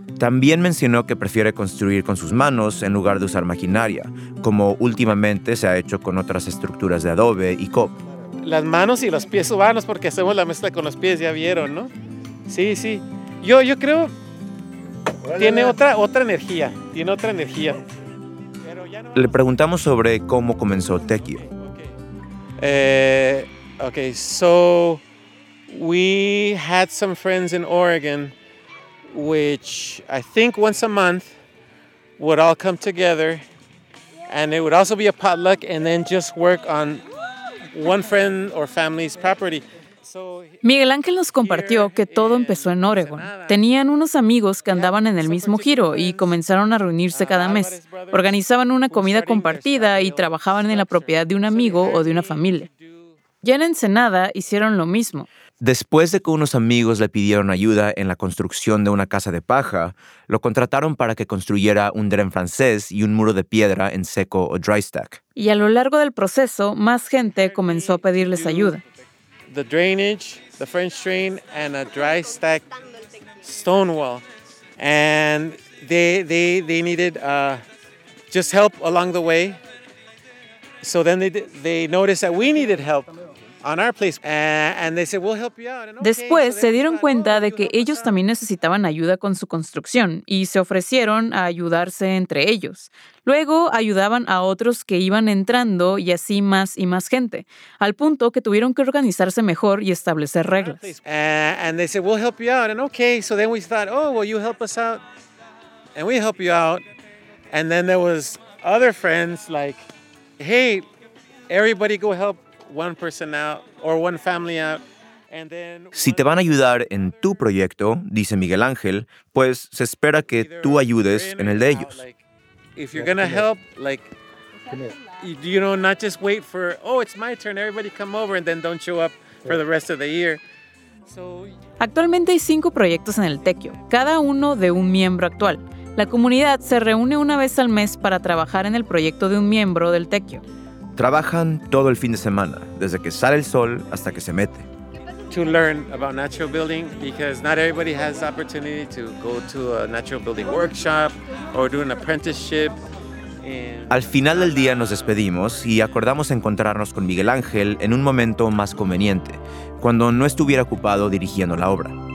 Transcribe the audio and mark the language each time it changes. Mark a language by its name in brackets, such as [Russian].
[Spanish] También mencionó que prefiere construir con sus manos en lugar de usar maquinaria, como últimamente se ha hecho con otras estructuras de adobe y cob. Las manos y los pies humanos, porque hacemos la mezcla con los pies, ya vieron, ¿no? Sí, sí. Yo creo que tiene otra energía, tiene otra energía. Le preguntamos sobre cómo comenzó Tequio. [English] Okay, so we had some friends in Oregon, which I think once a month would all come together, and it would also be a potluck, and then just work on one friend or family's property. [Spanish] Miguel Ángel nos compartió que todo empezó en Oregon. Tenían unos amigos que andaban en el mismo giro y comenzaron a reunirse cada mes. Organizaban una comida compartida y trabajaban en la propiedad de un amigo o de una familia. Ya en Ensenada hicieron lo mismo. Después de que unos amigos le pidieron ayuda en la construcción de una casa de paja, lo contrataron para que construyera un dren francés y un muro de piedra en seco o dry stack. Y a lo largo del proceso, más gente comenzó a pedirles ayuda. [English] The drainage, the French drain, and a dry stack stone wall, and they needed just help along the way. So then they noticed that we needed help on our place, and they said we'll help you out. [Spanish] Después se dieron cuenta de que ellos también necesitaban ayuda con su construcción y se ofrecieron a ayudarse entre ellos. Luego ayudaban a otros que iban entrando y así más y más gente, al punto que tuvieron que organizarse mejor y establecer reglas. [English] And they said we'll help you out, and okay, so then we thought, oh, well, you help us out, and we help you out, and then there was other friends like, hey, everybody go help one person out or one family out. [Spanish] Si te van a ayudar en tu proyecto, dice Miguel Ángel, pues se espera que tú ayudes en el de ellos. [English] If you're gonna help, like, You know, not just wait for, oh, it's my turn, everybody come over, and then don't show up for the rest of the year. [Spanish] Actualmente hay 5 proyectos en el Tequio, cada uno de un miembro actual. La comunidad se reúne una vez al mes para trabajar en el proyecto de un miembro del Tequio. Trabajan todo el fin de semana, desde que sale el sol hasta que se mete. [English] To learn about natural building, because not everybody has the opportunity to go to a natural building workshop or do an apprenticeship. [Spanish] Al final del día nos despedimos y acordamos encontrarnos con Miguel Ángel en un momento más conveniente, cuando no estuviera ocupado dirigiendo la obra.